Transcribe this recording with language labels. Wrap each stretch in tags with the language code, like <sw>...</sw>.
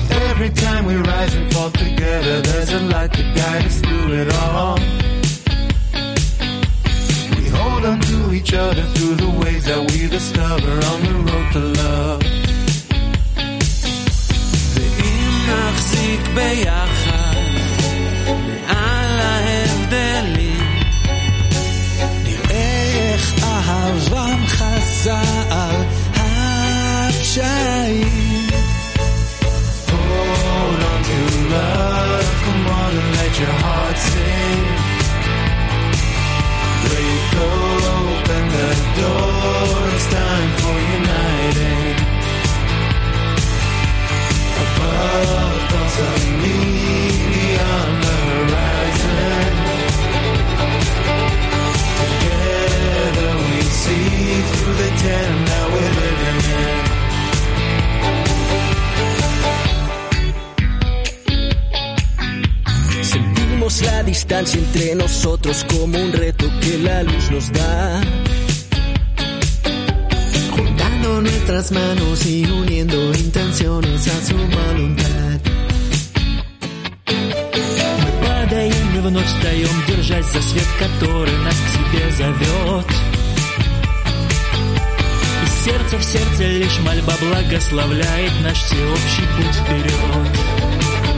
<en>Every time we rise and fall together, there's a light to guide us through it all. We hold on to each other through the ways that we discover on the road to love.</en> <he>נחזיק ביחד מעל ההבדלים, נראה איך אהבה מכסה על הפשעים.</he> <en>Hold on to love, come on and let your heart sing. Break open the door, it's time for uniting. Above thoughts of me beyond the horizon. Together we see through the tent that we're living in.</en> <es>Sentimos la distancia entre nosotros como un reto que la luz nos da. Nuestras manos y uniendo intenciones a su voluntad.</es> <ru>Мы падаем и вновь встаем, держась за свет, который нас к себе зовет. И сердце в сердце лишь мольба благословляет наш всеобщий путь вперед.</ru>